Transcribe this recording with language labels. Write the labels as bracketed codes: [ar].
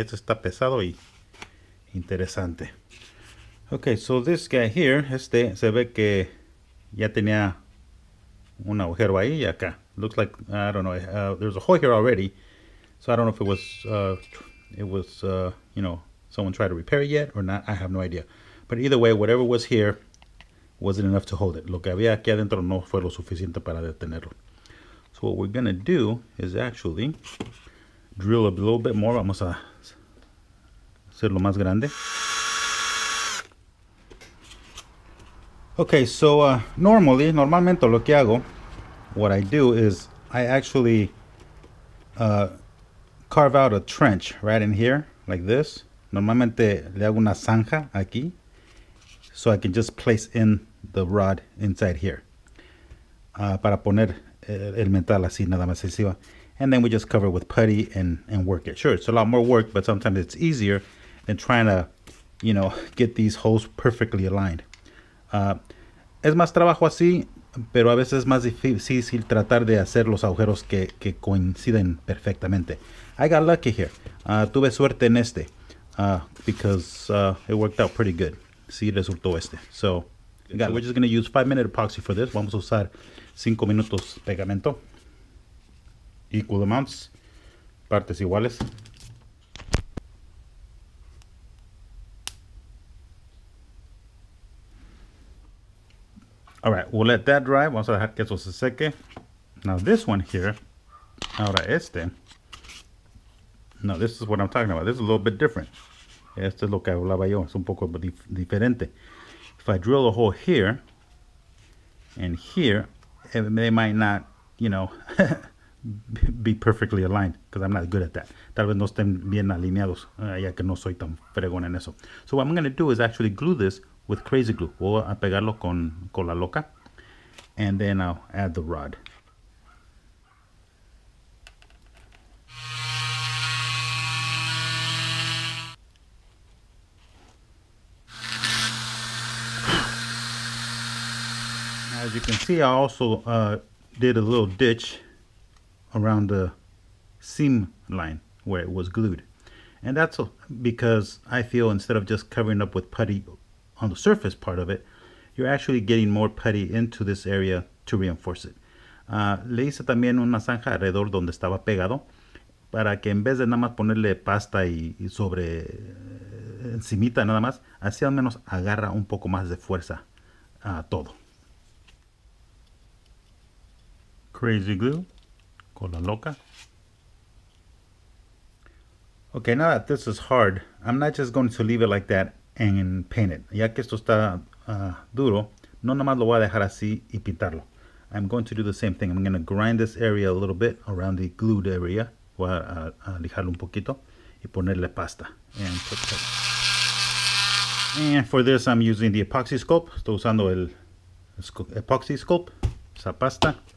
[es] Esto está pesado y interesante. [en] Okay, so this guy here, [es] este, se ve que ya tenía un agujero ahí y acá. [en] Looks like, I don't know, there's a hole here already. So I don't know if it was someone tried to repair it yet or not. I have no idea. But either way, whatever was here wasn't enough to hold it. [es] Lo que había aquí adentro no fue lo suficiente para detenerlo. [en] So what we're going to do is actually drill a little bit more. [es] Vamos a hacerlo más grande. [en] Okay, so [es] normalmente lo que hago, [en] what I do is I actually carve out a trench right in here, like this. [es] Normalmente le hago una zanja aquí, [en] so I can just place in the rod inside here. [es] Para poner el metal así, nada más así. [en] And then we just cover with putty and work it. Sure, it's a lot more work, but sometimes it's easier than trying to, you know, get these holes perfectly aligned. [es] Es más trabajo así, pero a veces es más difícil tratar de hacer los agujeros que coinciden perfectamente. [en] I got lucky here. [es] Tuve suerte en este. [en] Because it worked out pretty good. [es] Sí, resultó este. [en] So, we're just going to use 5-minute epoxy for this. [es] Vamos a usar 5 minutos pegamento. [en] Equal amounts. [es] Partes iguales. [en] Alright, we'll let that dry. [es] Vamos a dejar que eso se seque. [en] Now this one here. [es] Ahora este. [en] No, this is what I'm talking about. This is a little bit different. [es] Esto es lo que hablaba yo. Es un poco diferente. [en] If I drill a hole here and here, they might not, you know, be perfectly aligned because I'm not good at that. [es] Tal vez no estén bien alineados, ya que no soy tan fregón en eso. [en] So what I'm going to do is actually glue this with crazy glue. [es] Voy a pegarlo con la loca. [en] And then I'll add the rod. As you can see, I also did a little ditch around the seam line where it was glued. And that's because I feel instead of just covering up with putty on the surface part of it, you're actually getting more putty into this area to reinforce it. [es] Le hice también una zanja alrededor donde estaba pegado para que en vez de nada más ponerle pasta y sobre encimita nada más, así al menos agarra un poco más de fuerza a todo. [en] Crazy glue, [es] con la loca. [en] Okay, now that this is hard, I'm not just going to leave it like that and paint it. [es] Ya que esto está duro, no nomás lo voy a dejar así y pintarlo. [en] I'm going to do the same thing. I'm going to grind this area a little bit around the glued area. [es] Voy a lijarlo un poquito y ponerle pasta. [en] And put that. And for this, I'm using the epoxy sculpt. [es] Estoy usando el epoxy sculpt, esa pasta.